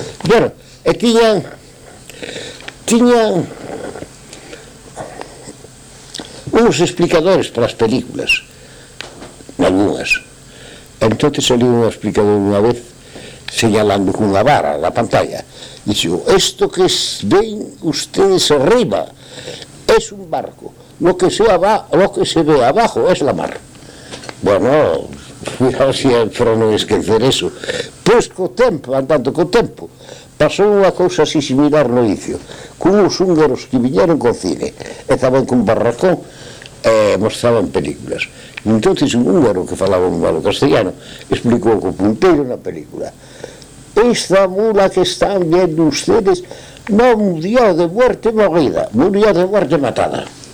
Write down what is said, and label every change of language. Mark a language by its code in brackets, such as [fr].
[gl] Bueno, e tiñan unos explicadores para as películas, algunhas. Entón, salía un explicador unha vez, señalando cunha vara na pantalla, dixo, isto que ven ustedes arriba é un barco, [es] lo que se ve abajo [gl] é la mar. Bueno, mira, si é para non esquecer eso. Pois co tempo, andando co tempo, pasou unha cousa así similar no inicio, con os húngaros que viñeron con cine, e estaban cun barracón, mostraban películas. Entón, un húngaro que falaba un malo castellano explicou co punteiro na película: [es] esta mula que están viendo ustedes non murió de muerte morida, murió de muerte matada.